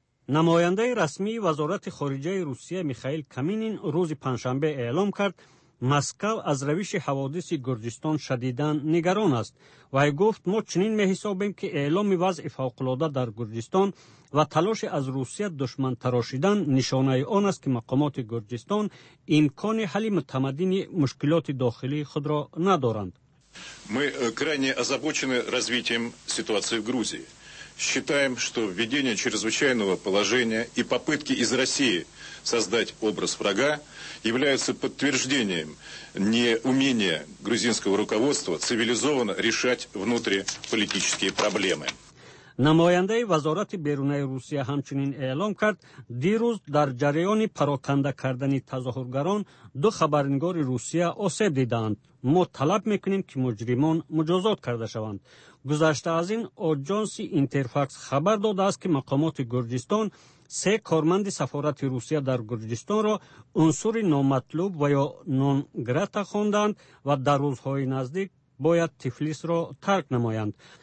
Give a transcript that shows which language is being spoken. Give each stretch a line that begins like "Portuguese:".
Persian: نماینده رسمی وزارت خارجه روسیه میخائیل کامینین روز پنجشنبه اعلام کرد مسکو از رویش حوادث گرجستان شدیداً نگران است و گفت ما چنین میحسابیم که اعلام وضع فوق‌العاده در گرجستان و تلاش از روسیه دشمن تراشیدن نشانه آن است که مقامات گرجستان امکان حل متمدن مشکلات داخلی خود را ندارند.
Russian: ми крайне озабочены развитием ситуации в Грузии. Считаем, что введение чрезвычайного положения и попытки из России создать образ врага являются подтверждением неумения грузинского руководства цивилизованно решать внутриполитические проблемы.
Tajik: Намояндаи вазорати беруни Русия хамчунин эълом кард, дирӯз дар ҷараёни пароканда кардани тазоҳургарон ду хабарнигори Русия осеб диданд. Мо талаб мекунем ки муҷримон муҷозот карда шаванд.
Persian: گذشته از این آژانس اینترفاکس خبر داده است که مقامات گرجستان 3 کارمند سفارت روسیه در گرجستان را عنصر نامطلوب و یا نون گراتا خواندند و در روزهای نزدیک باید تیفلیس را ترک نمایند.